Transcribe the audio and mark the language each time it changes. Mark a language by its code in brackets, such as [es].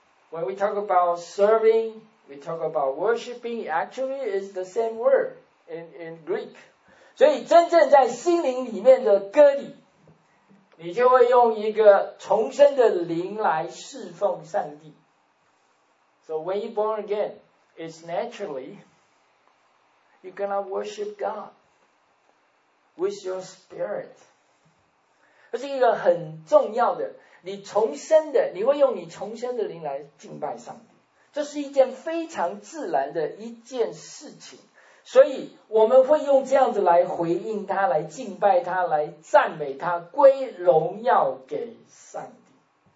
[en] When we talk about servingWe talk about worshiping, actually is the same word in Greek. [zh] 所以真正在心灵里面的割礼，你就会用一个重生的灵来侍奉上帝。 [en] So when you're born again, it's naturally you're gonna worship God with your spirit. [zh] 这是一个很重要的，你重生的，你会用你重生的灵来敬拜上帝。这是一件非常自然的一件事情，所以我们会用这样子来回应他，来敬拜他，来赞美他，归荣耀给上帝。